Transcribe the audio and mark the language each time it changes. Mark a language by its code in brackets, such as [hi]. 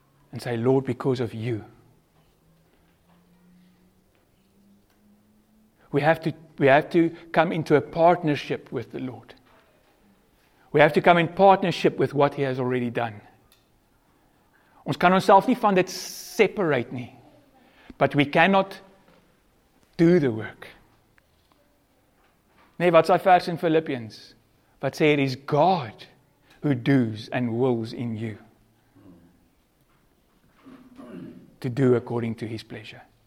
[en] And say, Lord, because of you. We have to come into a partnership with the Lord. We have to come in partnership with what He has already done. [af] Ons kan onsself nie van dit separate nie. [en] But we cannot do the work. [af] Nee, wat sy vers in [en] Philippians? [af] Wat sê, [en] it is God who does and wills in you. To do according to His pleasure.